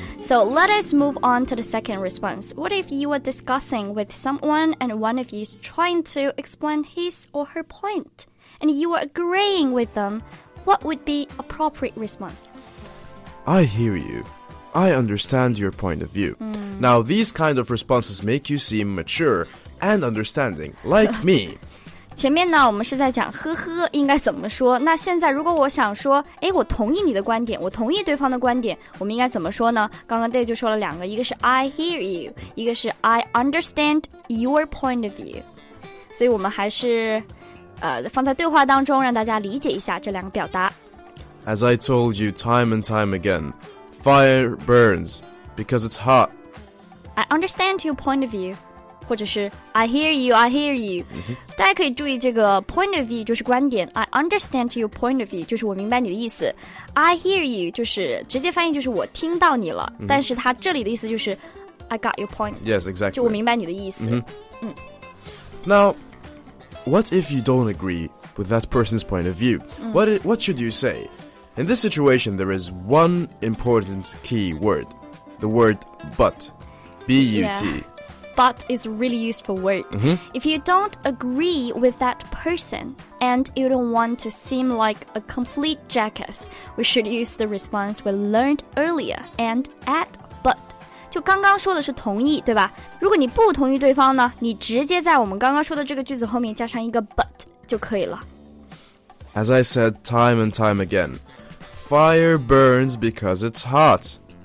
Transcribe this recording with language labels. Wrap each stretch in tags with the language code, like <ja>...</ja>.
<en>So let us move on to the second response. What if you were discussing with someone and one of you is trying to explain his or her point and you were agreeing with them, what would be appropriate response? I hear you. I understand your point of view. Now these kind of responses make you seem mature and understanding, like me.</en> <zh>前面呢我们是在讲呵呵应该怎么说，那现在如果我想说哎，我同意你的观点，我同意对方的观点，我们应该怎么说呢？刚刚 Day 就说了两个，一个是</zh> <en>I hear you，</en> <zh>一个是</zh> <en>I understand your point of view。</en> <zh>所以我们还是放在对话当中让大家理解一下这两个表达。</zh> <en>As I told you time and time again, fire burns because it's hot. I understand your point of view.</en> <zh>或者是</zh> <en>I hear you, I hear you、mm-hmm. 大家可以注意这个 point of view 就是观点， I understand your point of view 就是我明白你的意思， I hear you 就是直接翻译就是我听到你了、mm-hmm. 但是它这里的意思就是 I got your point. Yes, exactly.</en> <zh>就我明白你的意思、 mm-hmm.</zh> <en>Now, what if you don't agree with that person's point of view?、Mm-hmm. What should you say? In this situation, there is one important key word, the word but, B-U-T、 yeah. But is really useful word.、 Mm-hmm. If you don't agree with that person and you don't want to seem like a complete jackass, we should use the response we learned earlier and add but.</en> <zh>就刚刚说的是同意，对吧？如果你不同意对方呢，你直接在我们刚刚说的这个句子后面加上一个 but 就可以了。</zh> <en>As I said time and time again, fire burns because it's hot.</en>